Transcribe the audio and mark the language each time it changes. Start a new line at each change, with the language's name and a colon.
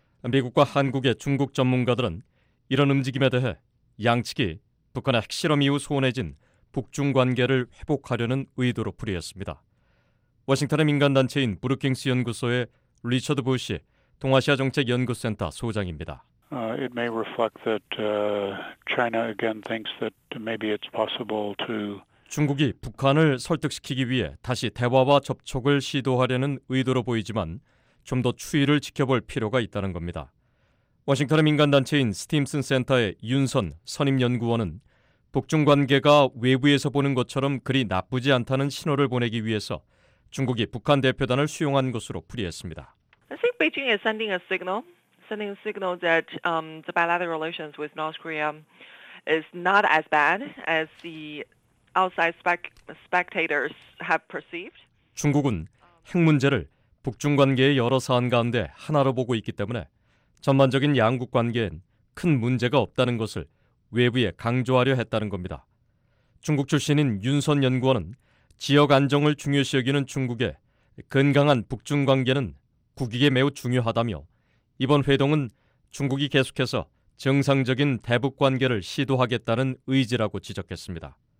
Korean: 미국과 한국의 중국 전문가들은 이런 움직임에 대해 양측이 북한의 핵실험 이후 소원해진 북중관계를 회복하려는 의도로 풀이했습니다. 워싱턴의 민간단체인 브루킹스 연구소의 리처드 부시 동아시아정책연구센터 소장입니다.
English: It may reflect that China again thinks that maybe it's possible to
Korean: 중국이 북한을 설득시키기 위해 다시 대화와 접촉을 시도하려는 의도로 보이지만 좀 더 추이를 지켜볼 필요가 있다는 겁니다. 워싱턴의 민간단체인 스팀슨 센터의 윤선 선임연구원은 북중관계가 외부에서 보는 것처럼 그리 나쁘지 않다는 신호를 보내기 위해서 중국이 북한 대표단을 수용한 것으로 풀이했습니다.
English: I think Beijing is sending a signal that the bilateral relations with North Korea is not as bad as the outside spectators have perceived.
Korean: 중국은 핵 문제를 북중관계의 여러 사안 가운데 하나로 보고 있기 때문에 전반적인 양국 관계엔 큰 문제가 없다는 것을 외부에 강조하려 했다는 겁니다. 중국 출신인 윤선 연구원은 지역 안정을 중요시 여기는 중국의 건강한 북중 관계는 국익에 매우 중요하다며 이번 회동은 중국이 계속해서 정상적인 대북 관계를 시도하겠다는 의지라고 지적했습니다.